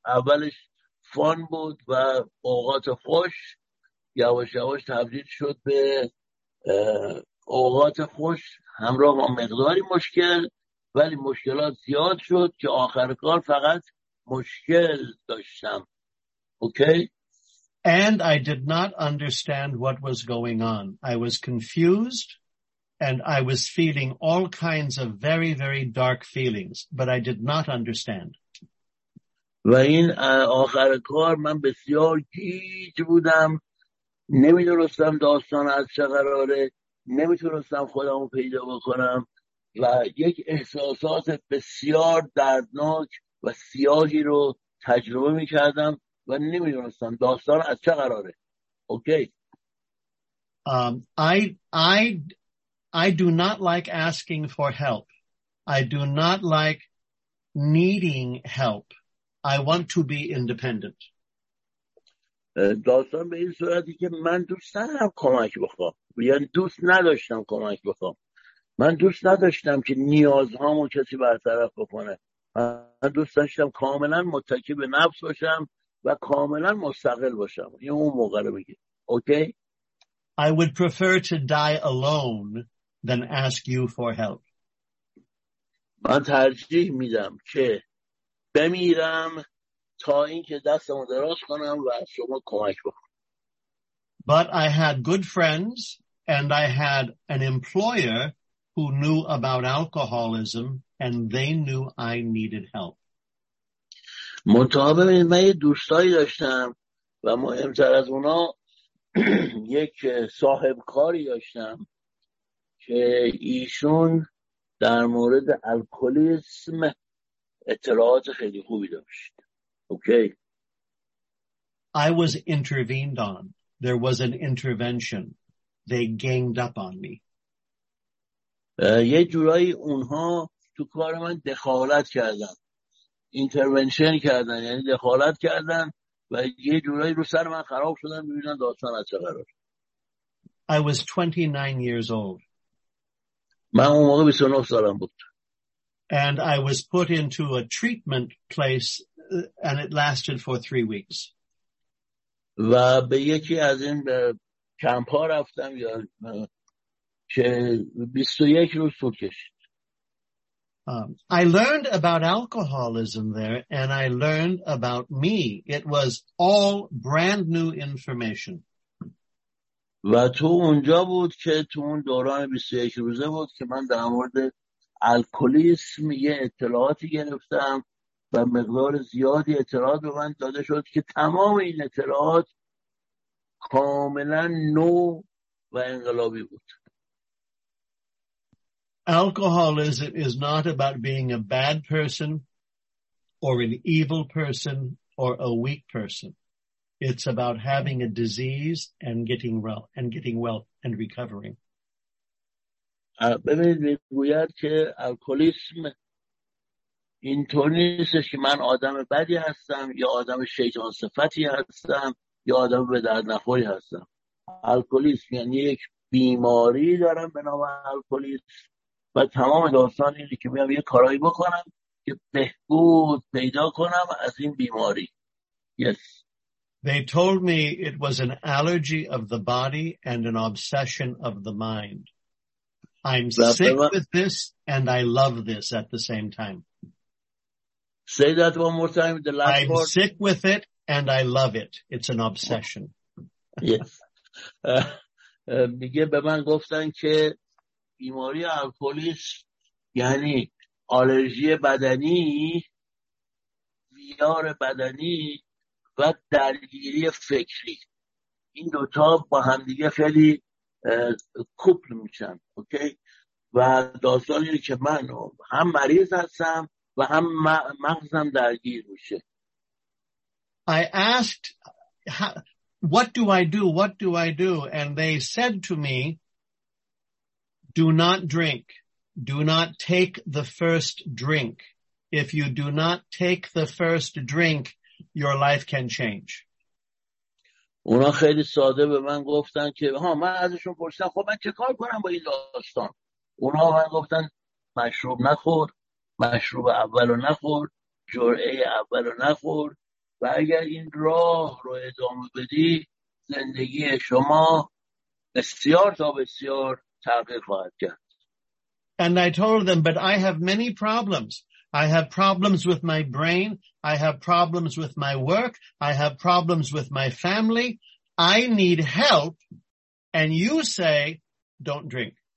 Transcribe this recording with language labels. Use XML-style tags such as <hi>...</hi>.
<fa>اولش فان بود و اوقات خوش، یواش یواش تبدیل شد به اوقات خوش همراه با مقداری مشکل، ولی مشکلات زیاد شد که آخر کار فقط مشکل داشتم. اوکی؟</fa> <en>And I did not understand what was going on. I was confused. And I was feeling all kinds of very, very dark feelings, but I did not understand.</en> <fa>و این آخر کار من بسیار گیج بودم، نمیدونستم داستان از چه قراره، نمیتونستم خودمو پیدا بکنم و یک احساسات بسیار دردناک و سیاهی رو تجربه میکردم و نمیدونستم داستان از چه قراره. اوکی.</fa> <en>I do not like asking for help. I do not like needing help. I want to be independent.</en> <fa>داستان به این صورتی که من دوست ندارم کمک بخوام. یعنی دوست نداشتم کمک بخوام. من دوست نداشتم که نیازهامو کسی برطرف بکنه. من دوست داشتم کاملا متکی به نفس باشم و کاملا مستقل باشم. این اون موقع رو میگه. اوکی؟</fa> <en>I would prefer to die alone than ask you for help.</en> <fa>من ترجیح میدم که بمیرم تا اینکه دستمو دراز کنم و شما کمک بکنم.</fa> <en>But I had good friends and I had an employer who knew about alcoholism and they knew I needed help.</en> <fa>متأسفانه من یه دوستایی داشتم و مهمتر از اونا یک صاحب کاری داشتم که ایشون در مورد الکلیسم اطلاعات خیلی خوبی داشت. اوکی.</fa> <en>I was intervened on. There was an intervention. They ganged up on me.</en> <fa>یه جورایی اونها تو کار من دخالت کردن. اینترونشن کردن، یعنی دخالت کردن و یه جورایی رو سر من خراب شدن، می‌بینن داستان از چه قراره.</fa> <en>I was 29 years old.</en> <fa>من اون موقع 29 سالم بود.</fa> <en>And I was put into a treatment place and it lasted for 3 weeks.</en> <fa>و به یکی از این کمپ ها رفتم که 21 روز طول کشید.</fa> <en>I learned about alcoholism there and I learned about me. It was all brand new information.</en> <fa>و تو اونجا بود که تو اون دوران 21 روزه بود که من در مورد الکلیسم یه اطلاعاتی گرفتم و مقدار زیادی اطلاعات به من داده شد که تمام این اطلاعات کاملا نو و انقلابی بود.</fa> <en>Alcoholism is not about being a bad person or an evil person or a weak person. It's about having a disease and getting well and recovering.</en> <fa>ببینید میگوید که الکلیسم اینطور نیست که من آدم بدی هستم یا آدم شیطان صفتی هستم یا آدم به درد نخوری هستم. الکلیسم یعنی یک بیماری دارم به نام الکلیسم و تمام داستان اینه که میام یه کارایی بکنم که بهبود پیدا کنم از این بیماری.</fa> <en>Yes. They told me it was an allergy of the body and an obsession of the mind. I'm sick with this and I love this at the same time. Say that one more time, the last I'm part. I'm sick with it and I love it. It's an obsession. Yes.</en> <fa>میگه به من گفتن که بیماری الکلیس یعنی آلرژی بدنی، ویار بدنی و درگیری فکری. این دوتا با همدیگه خیلی کوپل میشن. اوکی؟ و داستان اینه که من هم مریض هستم و هم مغزم درگیر میشه.</fa> <en>I asked what do I do, what do I do, and they said to me do not drink, do not take the first drink, if you do not take the first drink, your life can change.</en> <fa>اونا خیلی ساده به من گفتن که ها من ازشون پرسیدم خب من چه کار کنم با این داستان؟ اونا من گفتن مشروب نخور، مشروب اولو نخور، جرعه اولو نخور و اگر این راه رو ادامه بدی زندگی شما بسیار تا بسیار تغییر خواهد کرد.</fa> <en>And I told them, but I have many problems. I have problems with my brain. I have problems with my work. I have problems with my family. I need help. And you say, don't drink.</en>